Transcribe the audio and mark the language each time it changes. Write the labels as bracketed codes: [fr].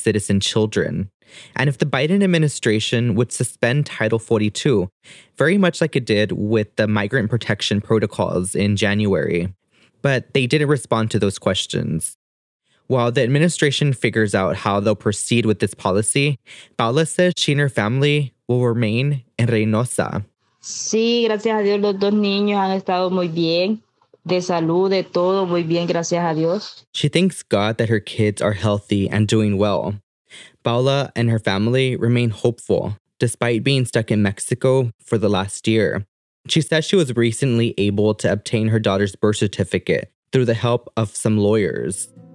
[en] citizen children. And if the Biden administration would suspend Title 42, very much like it did with the migrant protection protocols in January. But they didn't respond to those questions. While the administration figures out how they'll proceed with this policy, Paula says she and her family will remain in Reynosa. [es] Sí, gracias a Dios, los dos niños han estado muy bien. De salud, de todo muy bien, gracias a Dios. [en] She thanks God that her kids are healthy and doing well. Paula and her family remain hopeful, despite being stuck in Mexico for the last year. She says she was recently able to obtain her daughter's birth certificate through the help of some lawyers.